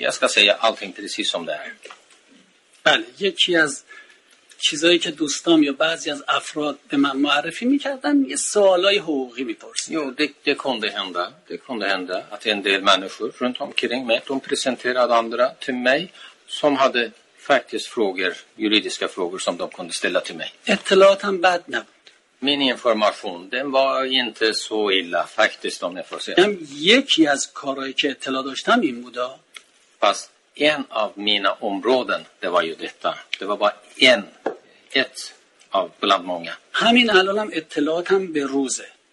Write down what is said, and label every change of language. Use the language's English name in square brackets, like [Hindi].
[Swedish] Jag ska säga allting precis som det är. [Persian] Bale, یکی از چیزایی که دوستام یا بعضی از افراد به من معرفی میکردن یه سوالای حقوقی میپرسن. [Swedish] Jo, det kunde hända. Det kunde hända att en del människor runt omkring mig, de presenterade andra till mig som hade faktiskt frågor, juridiska frågor som de kunde ställa till mig. [Persian] اطلاعات هم بد نبود. [Swedish] Min information, den var inte så illa faktiskt om jag får säga. Men [Persian] یکی از کارهایی که اطلاع داشتم این بود. [Swedish] Pass. En av mina områden, det var ju detta. Det var bara ett av bland många. [Persian] همین الان هم اطلاعات هم به روزه.